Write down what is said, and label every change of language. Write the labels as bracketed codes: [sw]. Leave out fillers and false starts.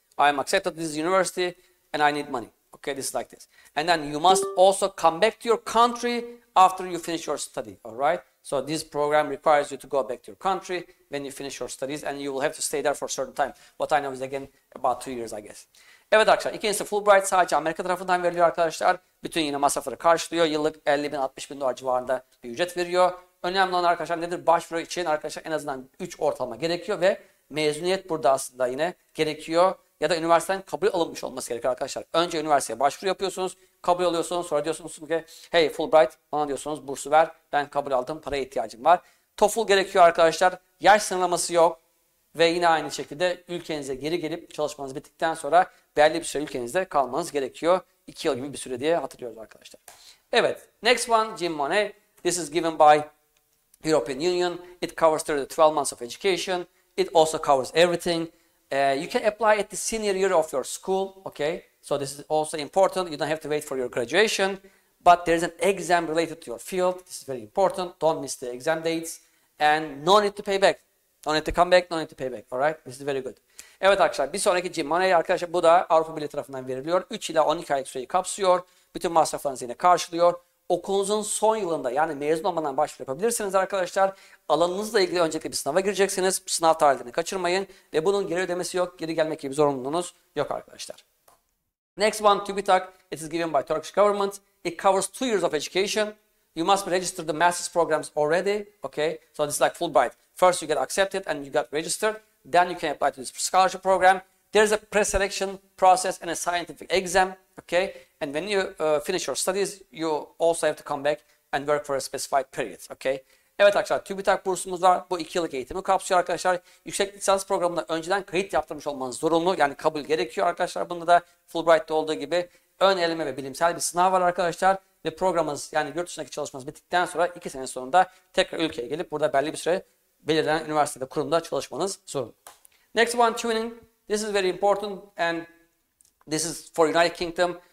[en] I'm accepted to this university, and I need money. Okay, this is like this. And then you must also come back to your country after you finish your study, all right? So this program requires you to go back to your country when you finish your studies and you will have to stay there for a certain time. What I know is again about 2 years, I guess. [tr] Evet arkadaşlar, ikincisi Fulbright sadece Amerika tarafından veriliyor arkadaşlar. Bütün yine masrafları karşılıyor. Yıllık 50 bin, 60 bin dolar civarında bir ücret veriyor. Önemli olan arkadaşlar nedir? Başvuru için arkadaşlar en azından 3 ortalama gerekiyor ve mezuniyet burada aslında yine gerekiyor. Ya da üniversiteden kabul alınmış olması gerekiyor arkadaşlar. Önce üniversiteye başvuru yapıyorsunuz, kabul alıyorsunuz, sonra diyorsunuz ki hey Fulbright bana diyorsunuz bursu ver, ben kabul aldım, paraya ihtiyacım var. TOEFL gerekiyor arkadaşlar, yaş sınırlaması yok ve yine aynı şekilde ülkenize geri gelip çalışmanız bittikten sonra belli bir süre ülkenizde kalmanız gerekiyor. 2 yıl gibi bir süre diye hatırlıyoruz arkadaşlar. Evet, [en] next one, [tr] Jim Money. [en] This is given by European Union. It covers through the 12 months of education. It also covers everything. You can apply at the senior year of your school, okay? So this is also important. You don't have to wait for your graduation, but there is an exam related to your field. This is very important. Don't miss the exam dates and no need to pay back. No need to come back, no need to pay back, all right? This is very good. [tr] Evet arkadaşlar, bir sonraki Jim Money arkadaşlar, bu da Avrupa Birliği tarafından veriliyor. 3 ila 12 aylık süreyi kapsıyor. Bütün masraflarınızı yine karşılıyor. Okulunuzun son yılında yani mezun olmadan başvuru yapabilirsiniz arkadaşlar. Alanınızla ilgili öncelikle bir sınava gireceksiniz. Sınav tarihlerini kaçırmayın. Ve bunun geri ödemesi yok. Geri gelmek gibi bir zorunluluğunuz yok arkadaşlar. [en] Next one, [tr] TÜBİTAK. [en] It is given by Turkish government. It covers 2 years of education. You must register the master's programs already. Okay, so this is like Fulbright. First you get accepted and you got registered. Then you can apply to this scholarship program. There is a pre-selection process and a scientific exam. Okay. And when you finish your studies, you also have to come back and work for a specified period, okay? [tr] Evet arkadaşlar, TÜBİTAK bursumuz var. Bu 2 yıllık eğitimi kapsıyor arkadaşlar. Yüksek lisans programında önceden kayıt yaptırmış olmanız zorunlu. Yani kabul gerekiyor arkadaşlar. Bunda da Fulbright'ta olduğu gibi ön eleme ve bilimsel bir sınav var arkadaşlar. Ve programınız, yani yurt dışındaki çalışmanız bittikten sonra 2 sene sonunda tekrar ülkeye gelip burada belli bir süre belirlenen üniversitede, kurumda çalışmanız zorunlu. [en] Next one, tuning. This is very important and this is for United Kingdom.